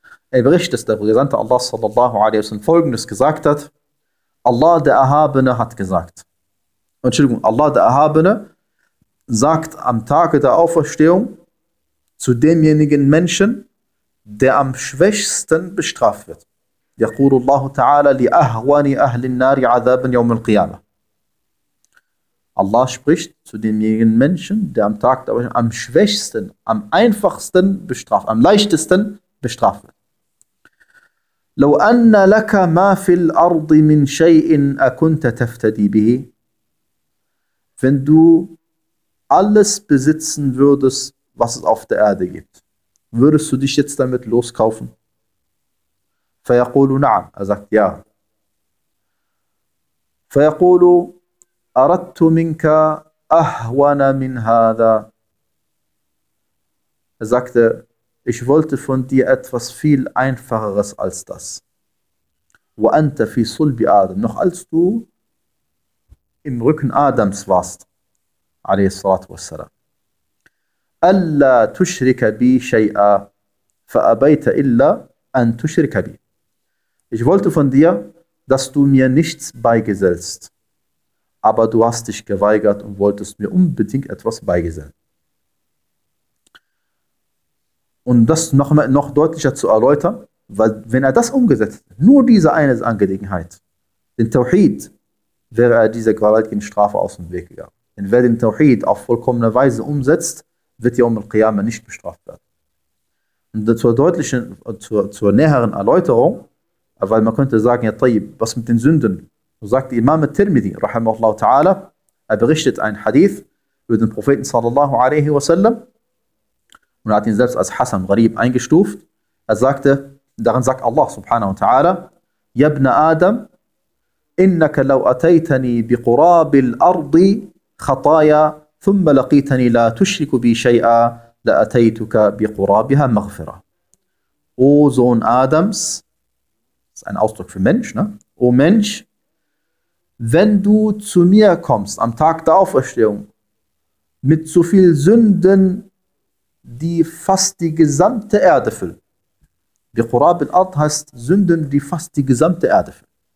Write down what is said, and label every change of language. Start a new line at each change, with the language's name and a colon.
German: Er berichtet, dass der Gesandte Allah sallallahu alaihi wa sallam Folgendes gesagt hat: Allah der Erhabene hat gesagt, Entschuldigung, Allah der Erhabene sagt am Tage der Auferstehung zu demjenigen Menschen, der am schwächsten bestraft wird.
Arabic: يقول الله تعالى لأهوان أهل النار عذابا يوم القيامة.
German: Allah spricht zu demjenigen Menschen, der am Tag der Auferstehung am schwächsten, am einfachsten bestraft, am leichtesten bestraft wird.
Arabic: لو أن لك ما في الأرض من شيء أكنت تفتدي به.
German: Wenn du alles besitzen würdest, was es auf der Erde gibt, würdest du dich jetzt damit loskaufen?
Arabic: فيقول نعم.
German: Er sagt ja.
Arabic: فيقول أردت منك أهون من هذا.
German: Er sagte, ich wollte von dir etwas viel Einfacheres als das.
Arabic: وأنت في صلب آدم.
German: Noch als du im Rücken Adams warst,
Arabic: عليه الصلاة والسلام. ألا تشرك بي شيئا فأبيت إلا أن تشرك بي.
German: Ich wollte von dir, dass du mir nichts beigesellst, aber du hast dich geweigert und wolltest mir unbedingt etwas beigesellen. Und das noch deutlicher zu erläutern, weil wenn er das umgesetzt hat, nur diese eine Angelegenheit, den Tauhid, wäre er dieser gewaltigen Strafe aus dem Weg gegangen. Denn wer den Tauhid auf vollkommene Weise umsetzt, wird ja um al-Qiyamah nicht bestraft werden. Und zur deutlichen, zur näheren Erläuterung, weil man könnte sagen, ja, طيب, was mit den Sünden? So sagt Imam al-Tirmidhi, rahimahullah ta'ala, er berichtet einen Hadith über den Propheten sallallahu alaihi wa sallam und hat ihn selbst als Hasan Gharib eingestuft. Er sagte, daran sagt Allah subhanahu wa ta'ala,
Arabic: يَبْنَ آدَمْ إِنَّكَ لَوْ أَتَيْتَنِي بِقُرَابِ الْأَرْضِ خَطَايَا ثُمَّ لَقِيتَنِي لَا تُشْرِكُ بِي شَيْئًا لَأَتَيْتُكَ بِقُرَابِهَا مَغْفِرَةً.
German: O Sohn Adams, ein Ausdruck für Mensch, ne? O Mensch, wenn du zu mir kommst am Tag der Auferstehung mit so viel Sünden, die fast die gesamte Erde füllen. Bi Qurab al-Ard heißt Sünden, die fast die gesamte Erde füllen.